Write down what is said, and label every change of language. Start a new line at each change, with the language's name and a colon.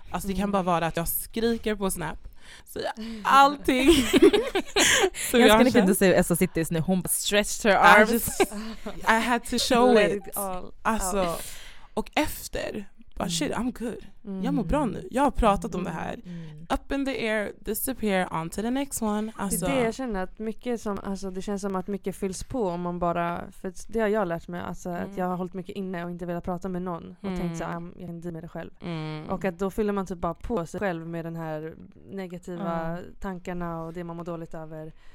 Swedish: Alltså det kan bara vara att jag skriker på Snap. Så jag, allting. Så jag skulle inte säga Essa Cities när hon
English: stretched her arms. I had to show it.
Swedish: Alltså, och efter, bara, shit,
English: I'm good.
Swedish: Mm. Jag mår bra nu. Jag har pratat om det här. Mm.
English: Up in the air, disappear, on to the next one.
Swedish: Alltså. Det är det jag känner, att mycket som, alltså, det känns som att mycket fylls på om man bara, för det har jag lärt mig, alltså, att jag har hållit mycket inne och inte velat prata med någon och tänkt så här, jag kan inte med det själv. Mm. Och att då fyller man typ bara på sig själv med den här negativa tankarna och det man mår dåligt över.